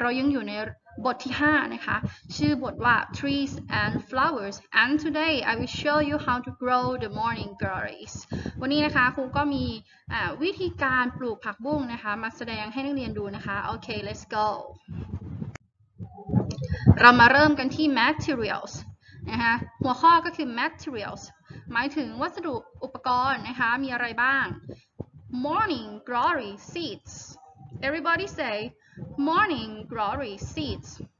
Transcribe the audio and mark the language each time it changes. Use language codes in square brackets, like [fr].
[th] เรายังอยู่ในบทที่5นะคะชื่อบทว่า [en] Trees and Flowers. And today I will show you how to grow the morning glories. [th] วันนี้นะคะครูก็มีวิธีการปลูกผักบุ้งนะคะมาแสดงให้นักเรียนดูนะคะ [en] Okay, let's go. [th] เรามาเริ่มกันที่ materials นะคะหัวข้อก็คือ materialsหมายถึงวัสดุอุปกรณ์นะคะมีอะไรบ้าง [en] Morning glory seeds Everybody say Morning glory seeds